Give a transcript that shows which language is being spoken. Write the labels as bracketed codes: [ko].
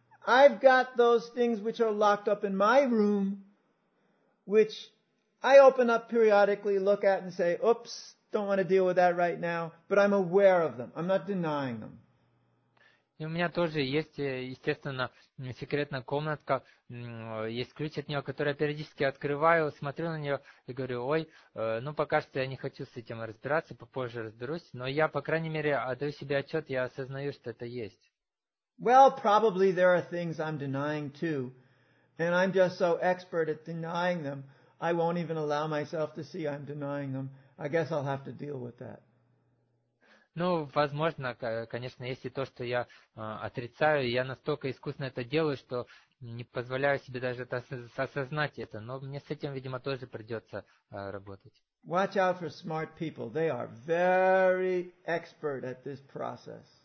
[en] I've got those things which are locked up in my room, which I open up periodically, look at and say, oops, don't want to deal with that right now. But I'm aware of them. I'm not denying them. [ru] И у меня тоже есть, естественно, секретная комнатка, есть ключ от нее, который я периодически открываю, смотрю на нее и говорю, ой, ну пока что я не хочу с этим разбираться, попозже разберусь, но я, по крайней мере, отдаю себе отчет, я осознаю, что это есть. [en] Well, probably there are things I'm denying too, and I'm just so expert at denying them, I won't even allow myself to see I'm denying them. I guess I'll have to deal with that. [ru] Ну, возможно, конечно, есть и то, что я отрицаю, я настолько искусно это делаю, что не позволяю себе даже осознать это, но мне с этим, видимо, тоже придется работать. [en] Watch out for smart people. They are very expert at this process.